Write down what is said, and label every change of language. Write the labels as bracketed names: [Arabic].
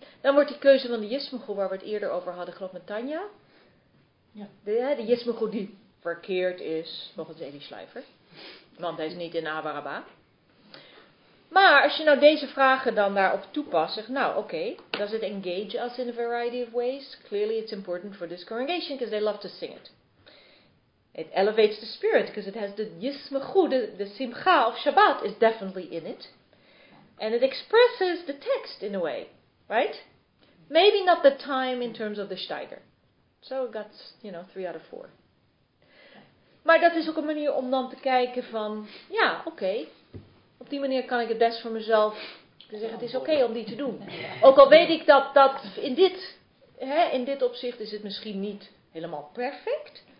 [Dutch] Dan wordt die keuze van de Yismegoed, waar we het eerder over hadden, geloof ik met Tanja. Ja. De Yismegoed die verkeerd is, volgens Elie Schleifer. Want hij is niet in Abaraba. Maar als je nou deze vragen dan daarop toepast, zeg nou oké, [English] okay, does it engage us in a variety of ways? Clearly it's important for this congregation, because they love to sing it. It elevates the spirit, because it has the Yismegoed, the Simcha of Shabbat is definitely in it. And it expresses the text in a way. Right? Maybe not the time in terms of the Steiger. So it got, you know, 3 out of 4. [Dutch] Maar dat is ook een manier om dan te kijken van, ja, oké. op die manier kan ik het best voor mezelf zeggen, het is oké om die te doen. Ook al weet ik dat in dit, hè, in dit opzicht is het misschien niet helemaal perfect.